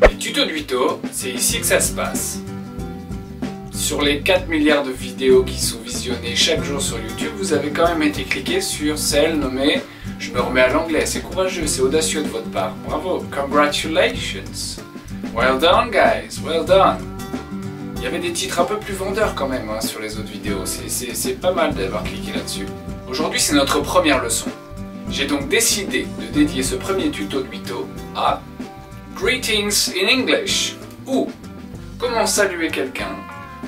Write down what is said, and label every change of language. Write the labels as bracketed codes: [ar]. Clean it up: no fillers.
[fr] Studio Duito, c'est ici que ça se passe. Sur les 4 milliards de vidéos qui sont visionnées chaque jour sur YouTube, vous avez quand même été cliqué sur celle nommée « Je me remets à l'anglais ». C'est courageux, c'est audacieux de votre part. [en] Bravo, congratulations. Well done, guys, well done. [fr] Il y avait des titres un peu plus vendeurs quand même hein, sur les autres vidéos. C'est pas mal d'avoir cliqué là-dessus. Aujourd'hui, c'est notre première leçon. J'ai donc décidé de dédier ce premier tuto Duito à « [en] Greetings in English [fr] » ou « Comment saluer quelqu'un ?»